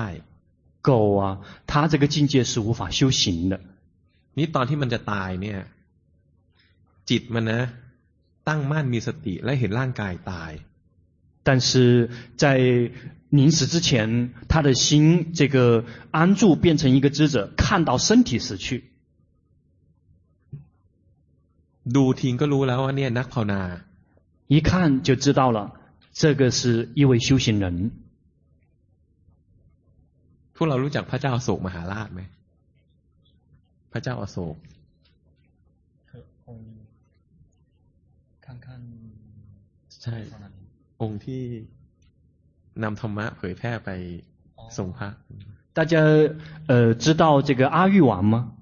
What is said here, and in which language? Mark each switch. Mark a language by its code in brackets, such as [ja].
[zh] 狗啊它这个境界是无法修行的你 [th] ตอนที่มันจะตายเนี่ยจิตมันนะตั้งมั่นมีสติและเห็นร่างกายตาย [zh] 但是在临死之前他的心这个安住变成一个知者看到身体死去 [th] ดูทิ้งก็รู้แล้วว่าเนี่ยนักภาวนา [zh] 一看就知道了这个是一位修行人 [th] พวกเรารู้จักพระเจ้าอโศกมหาราชไหมพระเจ้าอโศก องค์ข้าง ๆใช่องค์ที่นำธรรมะเผยแพร่ไปส่งพระ [zh] 大家知道这个阿育王吗